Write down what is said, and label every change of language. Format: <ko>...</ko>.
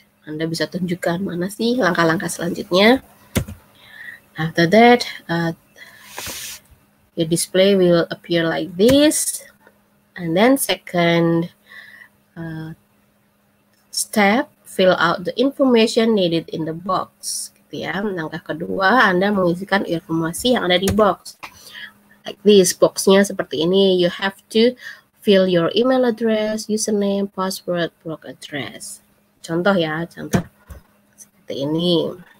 <id>Anda bisa tunjukkan mana sih langkah-langkah selanjutnya.</id> <en>After that, your display will appear like this. And then second step, fill out the information needed in the box.</en> <id>Gitu ya. Langkah kedua, Anda mengisikan informasi yang ada di box.</id> <en>Like this,</en> <id>boxnya seperti ini.</id> <en>You have to fill your email address, username, password, blog address.</en> <id>Contoh ya, contoh seperti ini.</id>